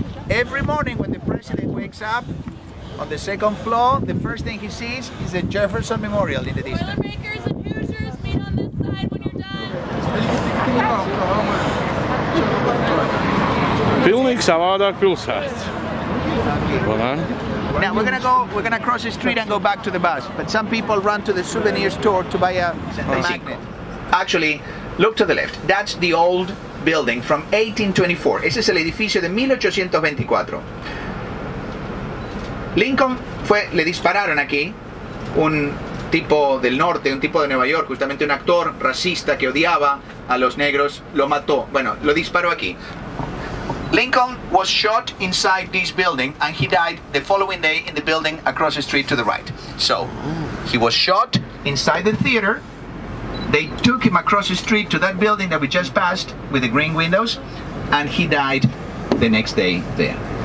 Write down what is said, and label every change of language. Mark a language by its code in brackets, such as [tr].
[en] Every morning when the president wakes up on the second floor, the first thing he sees is the Jefferson Memorial in the distance. Boilermakers and Hoosiers meet on this side when you're done. [lv] Pilnīgi savādāk pilsēt. [en] Now we're gonna cross the street and go back to the bus. But some people run to the souvenir store to buy a magnet. Actually, look to the left. That's the old building from 1824. [es] Ese es el edificio de 1824. Lincoln fue, le dispararon aquí, un tipo del norte, un tipo de Nueva York, justamente un actor racista que odiaba a los negros, lo mató. Bueno, lo disparó aquí. [en] Lincoln was shot inside this building and he died the following day in the building across the street to the right. So, he was shot inside the theater. They took him across the street to that building that we just passed with the green windows and he died the next day there.